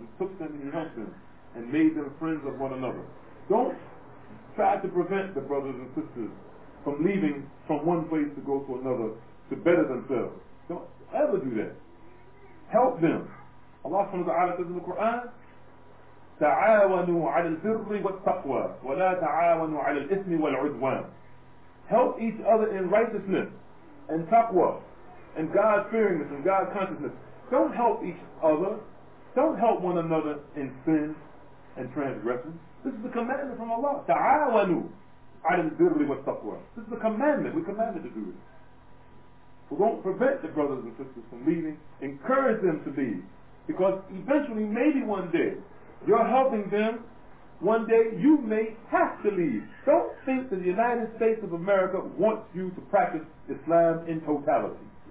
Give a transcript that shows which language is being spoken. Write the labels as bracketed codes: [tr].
[en] He took them and He helped them and made them friends of one another. Don't try to prevent the brothers and sisters from leaving from one place to go to another to better themselves. Don't ever do that. Help them. Allah subhanahu wa ta'ala says in the Quran, [ar] تعاونوا على البر والتقوى ولا تعاونوا على الإثم والعدوان. [en] Help each other in righteousness and taqwa and God fearingness and God consciousness. Don't help each other. Don't help one another in sin and transgression. This is the commandment from Allah. [ar] تعاونوا على البر والتقوى. [en] This is the commandment. We're commanded to do it. So don't prevent the brothers and sisters from leaving. Encourage them to leave. Because eventually, maybe one day, you're helping them. One day, you may have to leave. Don't think that the United States of America wants you to practice Islam in totality.